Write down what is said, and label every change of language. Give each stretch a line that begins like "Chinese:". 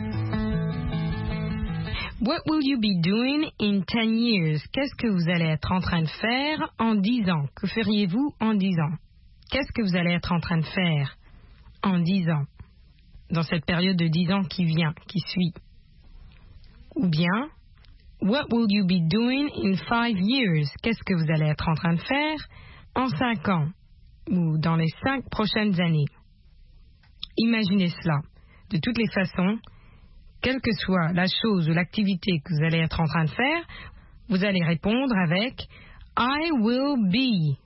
English: What will you be doing in 10 years?
French: Qu'est-ce que vous allez être en train de faire en 10 ans? Que feriez-vous en 10 ans? Qu'est-ce que vous allez être en train de faire en 10 ans? Dans cette période de 10 ans qui vient, qui suit. Ou bien,
English: what will you be doing in 5 years?
French: Qu'est-ce que vous allez être en train de faire en 5 ans? Ou dans les 5 prochaines années? Imaginez cela. De toutes les façons, quelle que soit la chose ou l'activité que vous allez être en train de faire, vous allez répondre avec «
English: I will be ».